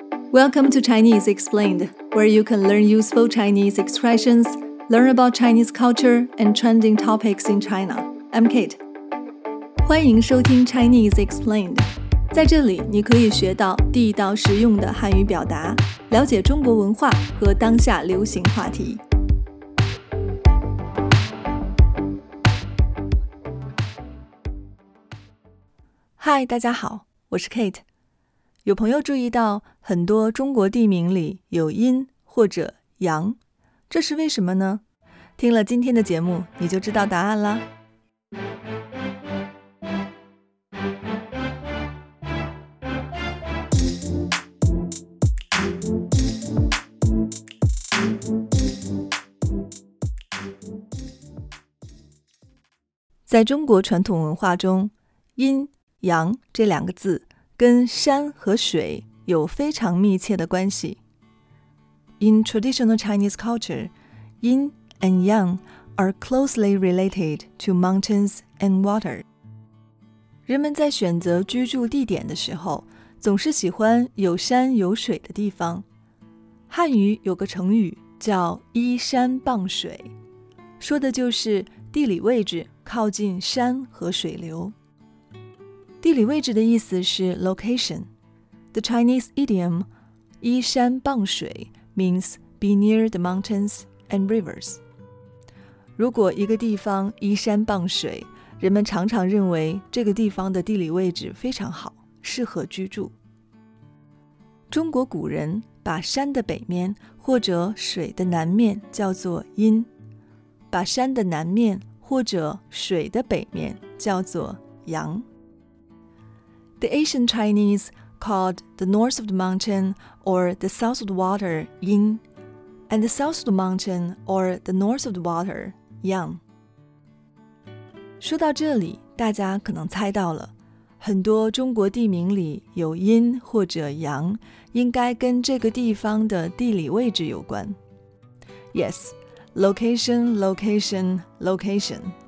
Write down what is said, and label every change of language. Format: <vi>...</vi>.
<en>Welcome to Chinese Explained, where you can learn useful Chinese expressions, learn about Chinese culture and trending topics in China. I'm Kate.</en> <zh>欢迎收听 Chinese Explained. 在这里你可以学到地道实用的汉语表达，了解中国文化和当下流行话题。 Hi, 大家好，我是 Kate。有朋友注意到很多中国地名里有阴或者阳，这是为什么呢？听了今天的节目你就知道答案啦。在中国传统文化中，阴阳这两个字跟山和水有非常密切的关系。</zh> <en>In traditional Chinese culture, yin and yang are closely related to mountains and water.</en> <zh>人们在选择居住地点的时候，总是喜欢有山有水的地方。汉语有个成语叫依山傍水，说的就是地理位置靠近山和水流。地理位置的意思是 location.</zh> <en>The Chinese idiom 依山傍水 means be near the mountains and rivers.</en> <zh>如果一个地方依山傍水，人们常常认为这个地方的地理位置非常好，适合居住。中国古人把山的北面或者水的南面叫做阴，把山的南面或者水的北面叫做阳。</zh> <en>The ancient Chinese called the north of the mountain or the south of the water yin, and the south of the mountain or the north of the water yang.</en> <zh>说到这里，大家可能猜到了，很多中国地名里有阴或者阳，应该跟这个地方的地理位置有关。</zh> <en>Yes, location, location, location.</en>